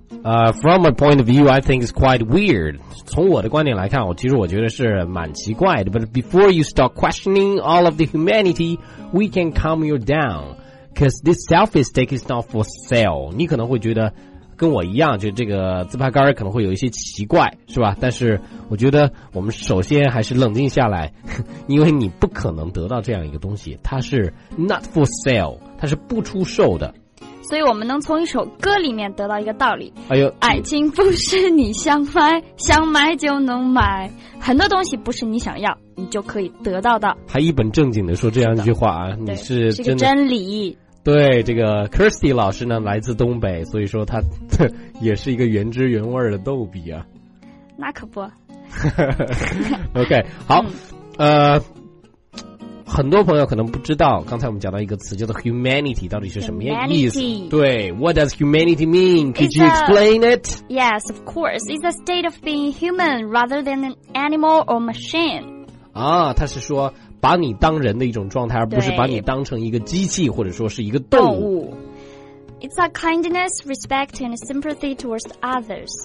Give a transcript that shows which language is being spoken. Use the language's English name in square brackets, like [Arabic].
[English] From my point of view, I think it's quite weird. [Chinese] 从我的观点来看，我觉得是蛮奇怪的。 [English] But before you start questioning all of the humanity, we can calm you down. Because this selfie stick is not for sale. [Chinese] 你可能会觉得跟我一样，就这个自拍杆可能会有一些奇怪，是吧？但是我觉得我们首先还是冷静下来，因为你不可能得到这样一个东西，它是 [English] not for sale， [Chinese] 它是不出售的。所以我们能从一首歌里面得到一个道理。哎呦，爱情不是你想买想买就能买，很多东西不是你想要你就可以得到的。还一本正经的说这样一句话啊，你是真的是个真理。对，这个 Kirsty 老师呢来自东北，所以说他也是一个原汁原味的逗比啊。那可不。 OK， 好。很多朋友可能不知道，刚才我们讲到一个词叫做 humanity， 到底是什么意思？ [English] Humanity. 对 ，What does humanity mean? Could you explain it? Yes, of course. It's a state of being human rather than an animal or machine. [Chinese] 啊，他是说把你当人的一种状态，而不是把你当成一个机器或者说是一个动物。 [English] It's a kindness, respect, and sympathy towards others.